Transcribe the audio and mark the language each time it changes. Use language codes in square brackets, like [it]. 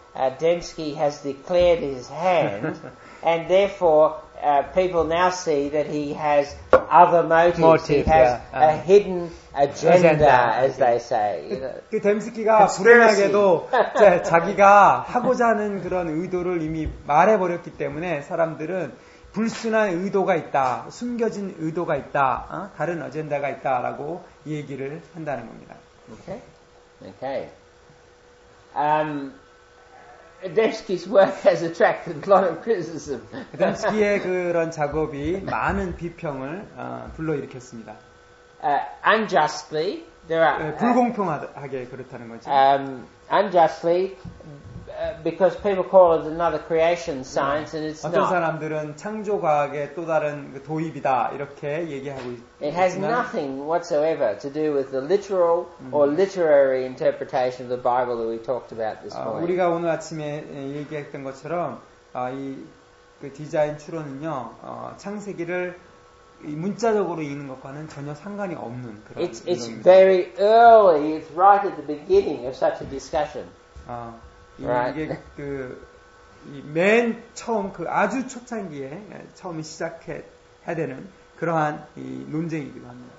[en] Adamski has declared his hand, and therefore people now see that he has other motives. Motive, he has yeah. a hidden agenda, as they say. [ko] 그 뎀스키가 불행하게도 자기가 하고자 하는 그런 의도를 이미 말해버렸기 때문에 사람들은 불순한 의도가 있다, 숨겨진 의도가 있다, 다른 어젠다가 있다라고 얘기를 한다는 겁니다. [en] Okay. Adamski's work has attracted a lot of criticism. [ko] Adamski의 그런 작업이 많은 비평을 불러일으켰습니다. [en] Unjustly, there are [ko] 불공평하게 그렇다는 거죠. [en] Unjustly, because people call it another creation science, and it's not. [ko] 어떤 사람들은 창조 과학의 또 다른 도입이다 이렇게 얘기하고 있습니다. [en] It has nothing whatsoever to do with the literal or literary interpretation of the Bible that we talked about this morning. [ko] 우리가 오늘 아침에 얘기했던 것처럼 이 그 디자인 추론은요 창세기를 문자적으로 읽는 것과는 전혀 상관이 없는 그런. [en] It's very early. It's right at the beginning of such a discussion. Right. [ko] 이게 그 맨 처음 그 아주 초창기에 처음 시작해야 되는 그러한 이 논쟁이기도 합니다.